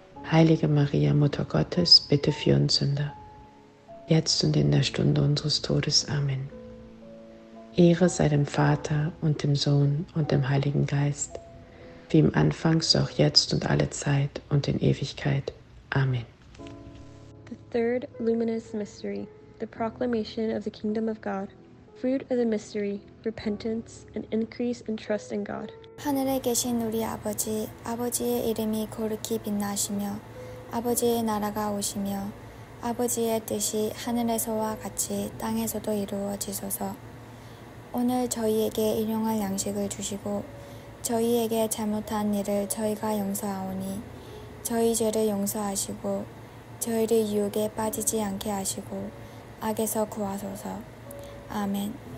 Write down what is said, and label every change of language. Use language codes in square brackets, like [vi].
[de] Heilige Maria, Mutter Gottes, bitte für uns Sünder, jetzt und in der Stunde unseres Todes. Amen. Ehre sei dem Vater und dem Sohn und dem Heiligen Geist, wie im Anfang, so auch jetzt und alle Zeit und in Ewigkeit. Amen. [en] The third luminous mystery, the proclamation of the kingdom of God. Fruit of the mystery, repentance and increase in trust in God. [ko] 하늘에 계신 우리 아버지, 아버지의 이름이 거룩히 빛나시며, 아버지의 나라가 오시며, 아버지의 뜻이 하늘에서와 같이 땅에서도 이루어지소서. 오늘 저희에게 일용할 양식을 주시고, 저희에게 잘못한 일을 저희가 용서하오니, 저희 죄를 용서하시고, 저희를 유혹에 빠지지 않게 하시고, 악에서 구하소서. 아멘.